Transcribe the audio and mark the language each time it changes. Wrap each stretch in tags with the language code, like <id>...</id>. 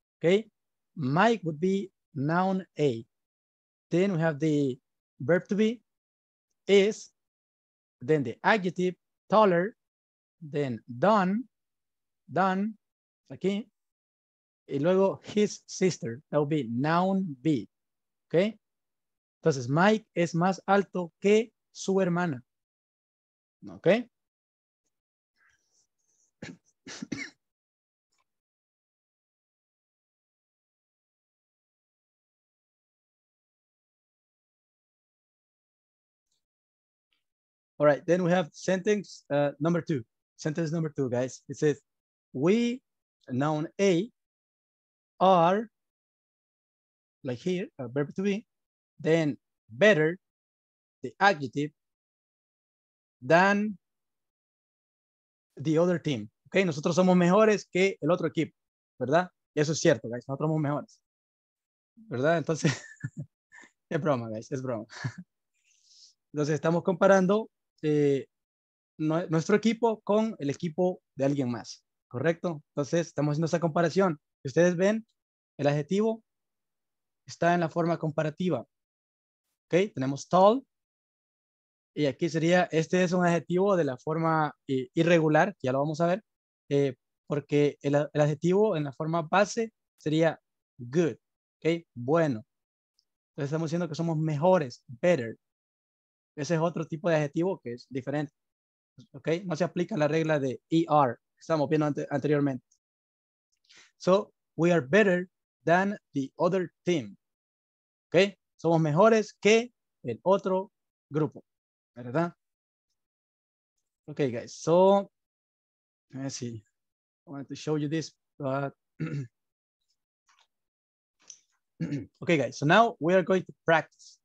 <en>Okay, Mike would be noun A. Then we have the verb to be, is, then the adjective taller, then done,</en> <es>aquí, y luego</es> <en>his sister, that would be noun B. Okay.</en> <es>Entonces, Mike es más alto que su hermana. ¿Ok?</es> <en>All right, then we have sentence number two. Sentence number two, guys. It says, we, noun A, are, like here, a verb to be, then better, the adjective, than the other team.</en> <es>Okay, nosotros somos mejores que el otro equipo, ¿verdad? Y eso es cierto, guys. Nosotros somos mejores, ¿verdad? Entonces, es broma, guys, es broma. Entonces, estamos comparando nuestro equipo con el equipo de alguien más, ¿correcto? Entonces, estamos haciendo esa comparación. Ustedes ven, el adjetivo está en la forma comparativa. ¿Ok? Tenemos tall. Y aquí sería, este es un adjetivo de la forma irregular, ya lo vamos a ver, porque el adjetivo en la forma base sería good, ¿ok? Bueno. Entonces estamos diciendo que somos mejores, better. Ese es otro tipo de adjetivo que es diferente, ¿ok? No se aplica la regla de ER, que estamos viendo anteriormente.</es> <en>So, we are better than the other team, ¿ok?</en> <es>Somos mejores que el otro grupo. ¿Verdad?</es> <en>Okay, guys. So, let's see. I wanted to show you this, but okay, guys. So now we are going to practice.</en>